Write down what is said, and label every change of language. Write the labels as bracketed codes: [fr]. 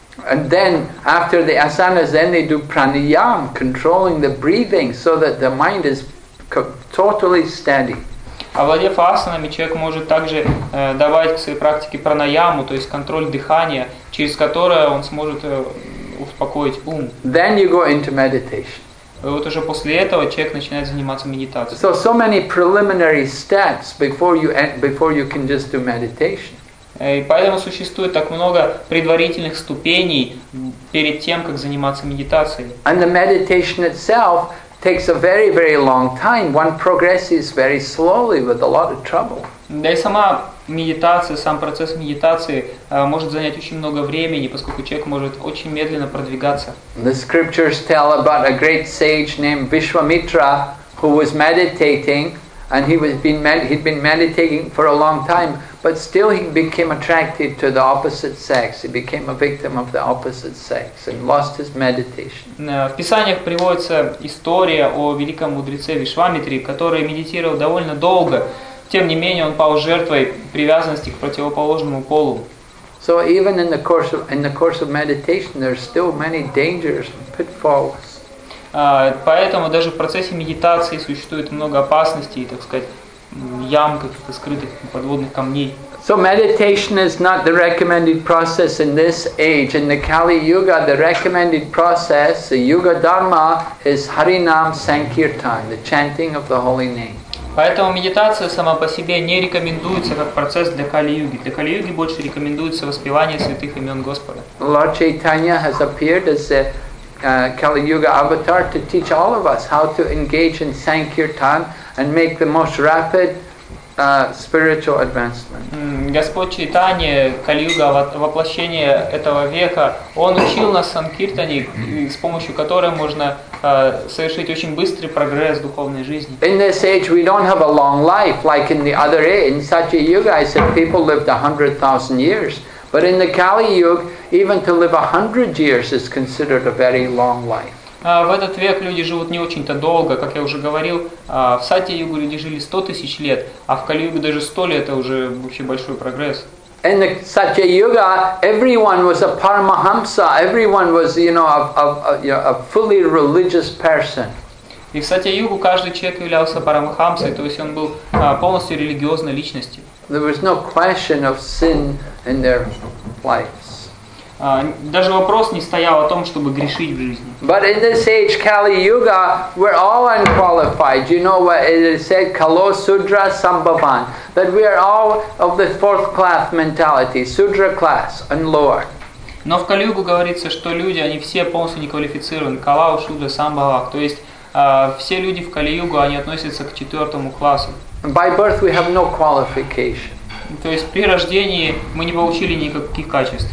[en] And then, after the asanas, then they do pranayam, controlling the breathing, so that the mind is totally steady. [ru] Овладев асанами, человек может также добавить к своей практике пранаяму, то есть контроль дыхания, через которое он сможет успокоить ум. [en] Then you go into meditation. [ru] И вот уже после этого человек начинает заниматься медитацией. [en] So many preliminary steps before you can just do meditation. [ru] И поэтому существует так много предварительных ступеней перед тем, как заниматься медитацией. [en] And the meditation itself takes a very, very long time. One progresses very slowly with a lot of trouble. [ru] Да и сама медитация, сам процесс медитации может занять очень много времени, поскольку человек может очень медленно продвигаться. [en] The scriptures tell about a great sage named Vishwamitra who was meditating, and he'd been meditating for a long time, but still he became attracted to the opposite sex. He became a victim of the opposite sex and lost his meditation. [ru] В писаниях приводится история о великом мудреце Вишвамитре, который медитировал довольно долго, тем не менее он пал жертвой привязанности к противоположному полу. [en] So even in the course of meditation, there are still many dangers and pitfalls. [ru] Поэтому даже в процессе медитации существует много опасностей, так сказать, ям каких-то скрытых подводных камней. [en] So meditation is not the recommended process in this age. In the Kali Yuga, the recommended process, the Yuga Dharma, is Harinam Sankirtan, the chanting of the holy name. [ru] Поэтому медитация сама по себе не рекомендуется как процесс для Кали-юги. Для Кали-юги больше рекомендуется воспевание святых имен Господа. [en] Lord Chaitanya has appeared as the Kali-yuga avatar to teach all of us how to engage in Sankirtan and make the most rapid spiritual advancement. [ru] Господь Чайтанья, Кали-юга, воплощение этого века, Он учил нас Санкиртане, с помощью которой можно совершить очень быстрый прогресс духовной жизни. [en] In this age we don't have a long life, like in the other age. In Satya-yuga, I said people lived 100,000 years. But in the Kali-yuga, even to live 100 years is considered a very long life. [ru] В этот век люди живут не очень-то долго, как я уже говорил. В Сатья-югу люди жили 100 тысяч лет, а в Кали-югу даже 100 лет – это уже вообще большой прогресс. [en] In the Satya-yuga, everyone was a paramahamsa. Everyone was, you know, a fully religious person. [ru] И в Сатья-югу каждый человек являлся парамахамсой, то есть он был полностью религиозной личностью. [en] There was no question of sin in their life. [ru] Даже вопрос не стоял о том, чтобы грешить в жизни. [en] But in this age, Kali-yuga, we're all unqualified. You know what it is said, [sa] Kalo Sudra Sambhavan. [en] That we are all of the fourth class mentality, Sudra class and lower. [ru] Но в Кали-югу говорится, что люди, они все полностью неквалифицированы. [sa] Калау, Шудра, Самбхавах. [ru] То есть все люди в Кали-югу, они относятся к четвертому классу. [en] By birth we have no qualification. [ru] То есть при рождении мы не получили никаких качеств.